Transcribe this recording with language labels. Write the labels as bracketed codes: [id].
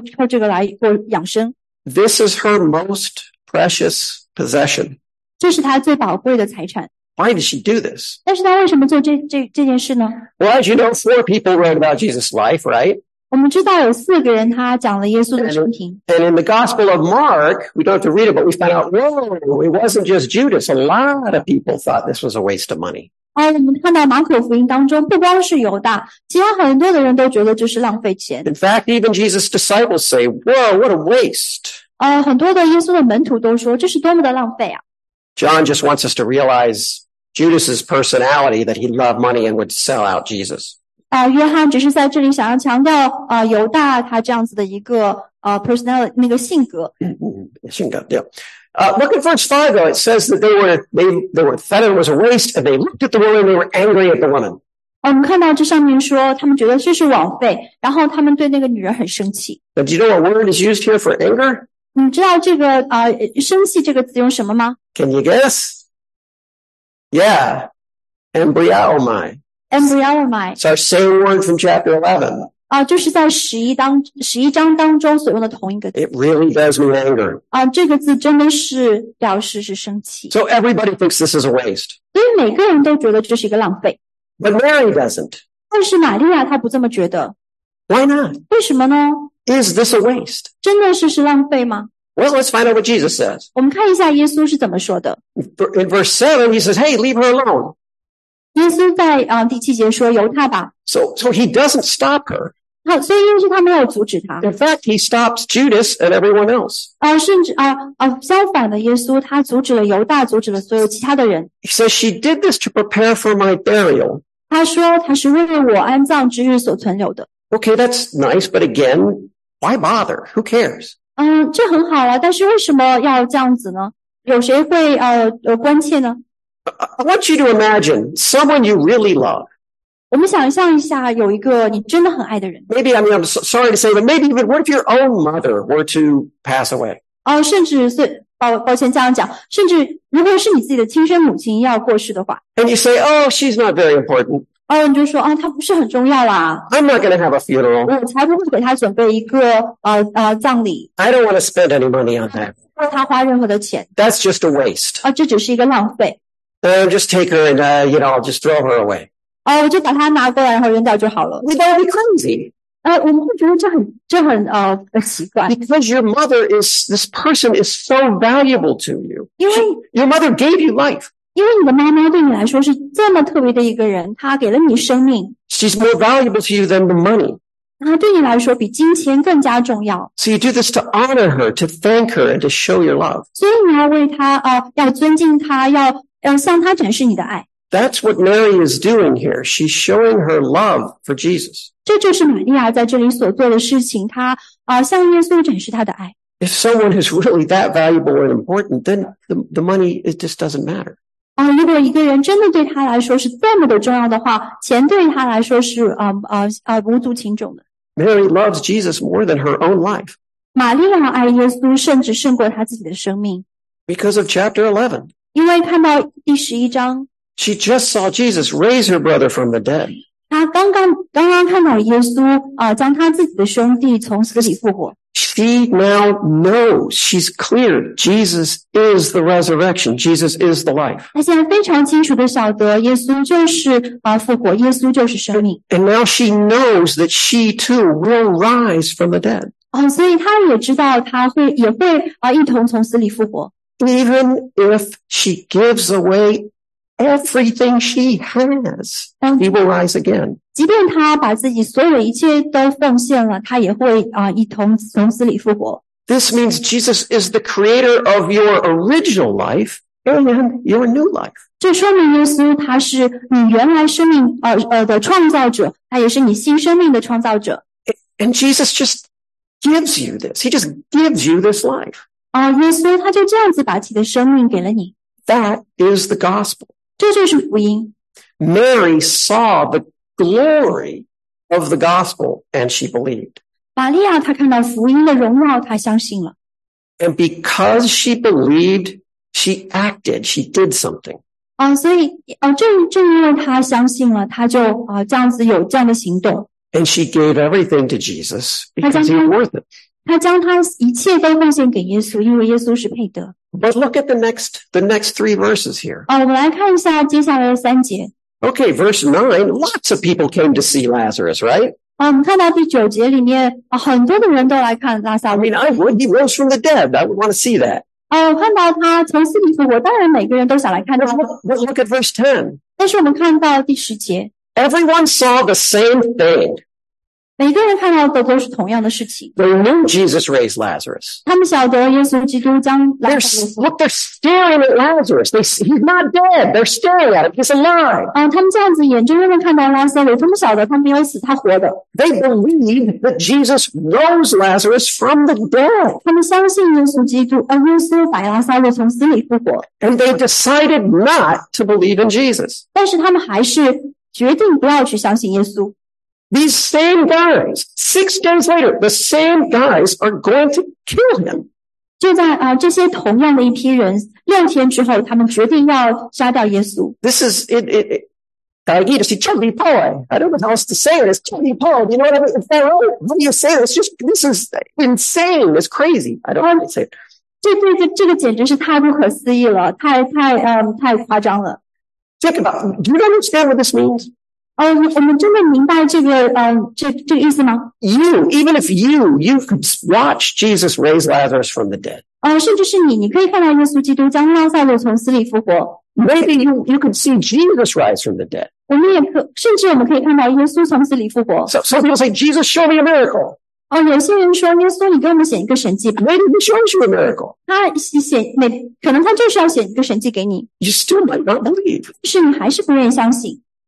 [zh] 那如果你是一个寡妇的话，没有任何的其他的经济来源，你就要靠这个来过养生。 [en] This is her most precious possession. [zh] 这是她最宝贵的财产。 [en] Why did she do this? [zh] 但是她为什么做这件事呢? [en] Well, as you know, 4 people wrote about Jesus' life, right? [zh] 我们知道有4个人他讲了耶稣的生平。 [en] And in the Gospel of Mark, we don't have to read it, but we found out, whoa, it wasn't just Judas. A lot of people thought this was a waste of money. [zh] 我们看到马可福音当中，不光是犹大，其他很多的人都觉得这是浪费钱。In [en] fact, even Jesus' disciples say, "Whoa, what a waste!" [zh] 很多的耶稣的门徒都说，这是多么的浪费啊！John [en] just wants us to realize Judas's personality—that he loved money and would sell out Jesus. [zh] 约翰只是在这里想要强调，犹大他这样子的一个personality那个性格。性格，对。 [en] Look at verse 5, though. It says that they were, that it was a waste, and they looked at the woman, and they were angry at the woman. [zh] 我们看到这上面说他们觉得这是枉费，然后他们对那个女人很生气。 [en] But do you know what word is used here for anger? [zh] 你知道这个生气这个词用什么吗？ [en] Can you guess? Yeah. Embryalomai. [el] Embryalomai. [en] It's our same word from chapter 11. [zh] 就是在11章当中所用的同一个词。 [en] It really does mean anger. [zh] 这个字真的是表示是生气。 [en] So everybody thinks this is a waste. [zh] 所以每个人都觉得这是一个浪费。 [en] But Mary doesn't. [zh] 但是玛利亚她不这么觉得。 [en] Why not? [zh] 为什么呢？ [en] Is this a waste? [zh] 真的是浪费吗？ [en] Well, let's find out what Jesus says. [zh] 我们看一下耶稣是怎么说的。 [en] In verse 7, he says, hey, leave her alone. [zh] 耶稣在第七节说由她吧。 [en] So he doesn't stop her. [zh] 好，所以耶稣他没有阻止她。 [en] In fact, he stops Judas and everyone else. [zh] 相反的，耶稣他阻止了犹大，阻止了所有其他的人。 [en] He says, she did this to prepare for my burial. [zh] 他说他是为了我安葬之日所存留的。 [en] Okay, that's nice, but again, why bother? Who cares? [zh] 这很好啊，但是为什么要这样子呢？有谁会关切呢？ [en] I want you to imagine someone you really love. [zh] 我们想象一下有一个你真的很爱的人。 [en] Maybe, I mean, I'm sorry to say, but maybe even what if your own mother were to pass away? [zh] 甚至是抱歉这样讲，甚至如果是你自己的亲生母亲要过世的话。 [en] And you say, oh, she's not very important. [zh] 你就说他不是很重要啦。 [en] I'm not going to have a funeral. [zh] 我才不会给他准备一个葬礼。 [en] I don't want to spend any money on that. [zh] 不会他花任何的钱。 [en] That's just a waste. [zh] 这只是一个浪费。 [en] Just take her and, I'll just throw her away. [zh] 我就把她拿过来然后扔掉就好了。 [en] We don't be crazy. [zh] 我们会觉得这很奇怪。 [en] Because your mother is, this person is so valuable to you. [zh] 因为 [en] your mother gave you life. [zh] 因为你的妈妈对你来说是这么特别的一个人，她给了你生命。 [en] She's more valuable to you than the money. [zh] 她对你来说比金钱更加重要。 [en] So you do this to honor her, to thank her, and to show your love. [zh] 所以你要为她要尊敬她，要向她展示你的爱。 [en] That's what Mary is doing here. She's showing her love for Jesus. [zh] 这就是玛利亚在这里所做的事情，她向耶稣展示她的爱。 [en] If someone is really that valuable and important, then the money it just doesn't matter. [zh] 如果一个人真的对他来说是这么的重要的话，钱对他来说是无足轻重的。 [en] Mary loves Jesus more than her own life. [zh] 玛利亚爱耶稣甚至胜过他自己的生命。 [en] Because of chapter 11. [zh] 因为看到第十一章。 [en] She just saw Jesus raise her brother from the dead. [zh] 她刚刚看到耶稣将他自己的兄弟从死里复活。 [en] She now knows, she's clear, Jesus is the resurrection, Jesus is the life. [zh] 她现在非常清楚地晓得耶稣就是复活，耶稣就是生命。 [en] And now she knows that she too will rise from the dead. [zh] 所以她也知道她会也会一同从死里复活。 [en] Even if she gives away everything she has, he will rise again. [zh] 即便他把自己所有一切都奉献了，他也会一同从死里复活。 [en] This means Jesus is the creator of your original life and your new life. [zh] 这说明耶稣他是你原来生命的创造者，他也是你新生命的创造者。 [en] And Jesus just gives you this. He just gives you this life. [zh] 耶稣他就这样子把自己的生命给了你。 [en] That is the gospel. [zh] 这就是福音。 [en] Mary saw the. Glory of the gospel, and she believed. [zh] 玛利亚她看到福音的荣耀，她相信了。 [en] And because she believed, she acted. She did something. [zh] 所以正因为她相信了，她就这样子有这样的行动。 [en] And she gave everything to Jesus because he's worth it. [zh] 她将她一切都奉献给耶稣，因为耶稣是配得。 [en] But look at the next three verses here. [zh] 我们来看一下接下来的三节。 [en] Okay, verse 9, lots of people came to see Lazarus, right? [zh] 看到第九节里面很多的人都来看拉撒路。 [en] I mean, I would, he rose from the dead, I would want to see that. [zh] 看到他从死里复活，当然每个人都想来看他。 [en] Let's look at verse 10. [zh] 但是我们看到第十节。 [en] Everyone saw the same thing. [zh] 每个人看到的都是同样的事情。 [en] They knew Jesus raised Lazarus. [zh] 他们晓得耶稣基督将拉撒路。 [en] Look, they're staring at Lazarus. He's not dead. They're staring at him. He's alive. [zh] 他们这样子眼睁睁地看到拉撒路，他们晓得他没有死，他活的。 [en] They believe that Jesus rose Lazarus from the dead. [zh] 他们相信耶稣基督，耶稣把拉撒路从死里复活。 [en] And they decided not to believe in Jesus. [zh] 但是他们还是决定不要去相信耶稣。 [en] These same guys, 6 days later, the same guys are going to kill him. [zh] 就在这些同样的一批人，六天之后，他们决定要杀掉耶稣。 [en] This is it. [zh] 是真理炮 [en] I don't know how else to say it. It's [zh] 真理炮 [en] You know what I mean? What do you say? It's just this is insane. It's crazy. I don't know how to say it. [zh] 这个简直是太不可思议了，太夸张了。 [en] Think about. Do you understand what this means? [zh] 我们真的明白这个意思吗 [en] ？You watch Jesus raise Lazarus from the dead. [zh] 甚至是你可以看到耶稣基督将拉萨路从死里复活。 [en] Maybe you can see Jesus rise from the dead. [zh] 甚至我们可以看到耶稣从死里复活。 [en] Some people say Jesus, show me a miracle. [zh] 有些人说耶稣，你给我们显一个神迹吧。 [en] Maybe he shows you a miracle. [zh] 可能他就是要显一个神迹给你。 [en] You still might not believe. [zh] 就是你还是不愿意相信。